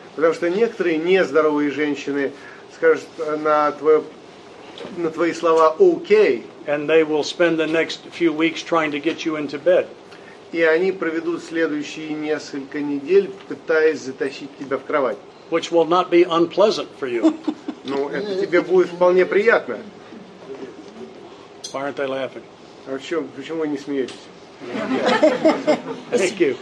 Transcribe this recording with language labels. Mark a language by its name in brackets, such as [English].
[Russian] Потому что некоторые нездоровые женщины скажут на твои слова «Окей». [English] And they will spend the next few weeks trying to get you into bed. [Russian] И они проведут следующие несколько недель, пытаясь затащить тебя в кровать. [English] Which will not be unpleasant for you. [Russian] Ну, это тебе будет вполне приятно. [English] Why aren't they laughing? [Russian] А почему вы не смеетесь? [English] Thank you.